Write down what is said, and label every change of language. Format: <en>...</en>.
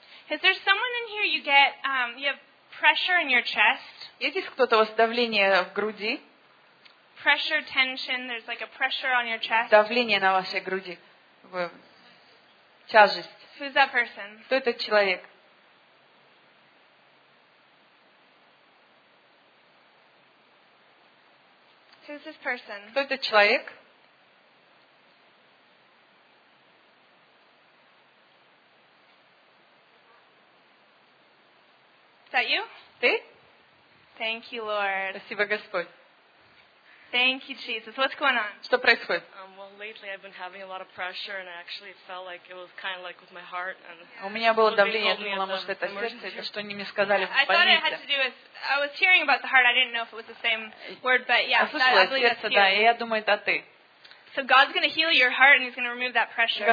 <en>Is there someone in here you get, you have pressure in your chest?</en> <ru>Есть ли кто-то, у вас давление в груди?</ru> <en>Pressure, tension, there's like a pressure on your chest.</en> <ru>Давление на вашей груди. Тяжесть.</ru> <en>Who's that person?</en> <ru>Кто этот человек?</ru> <en>Who's this person?</en> <ru>Кто этот человек?</ru> <en>Is that you?</en> <ru>Ты?</ru> <en>Thank you, Lord.</en> <ru>Спасибо, Господь.</ru> <en>Thank you, Jesus. What's going on?</en> <ru>Что происходит?</ru> <en>Well, lately I've been having a lot of pressure, and I actually felt like it was kind of like with my heart. And</en> <ru>у меня было давление, я думала, может, это сердце, это что они мне сказали в больнице.</ru> <en>I thought it had to do with. I was hearing about the heart. I didn't know if it was the same word, but yeah, that, I believe</en> <ru>сердце,</ru> <en>that's you.</en> <ru>Да, я думаю, это ты.</ru> <en>So God's going to heal your heart and he's going to remove that pressure.</en>